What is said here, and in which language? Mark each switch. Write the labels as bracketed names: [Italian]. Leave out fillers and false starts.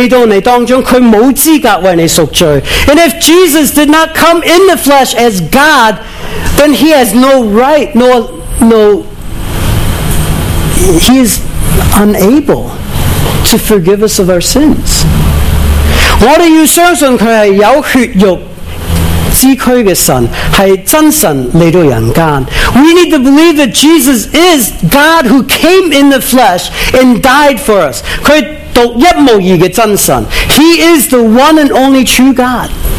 [Chinese] 如果耶稣不是一个血肉的神来到你当中，他没有资格为你赎罪。 [English] And if Jesus did not come in the flesh as God, then he has no right, he is unable to forgive us of our sins. [Chinese] 我们要相信他是有血肉之躯的神，是真神来到人间。 [English] We need to believe that Jesus is God who came in the flesh and died for us. [Chinese] 他是独一无二的真神。 [English] He is the one and only true God.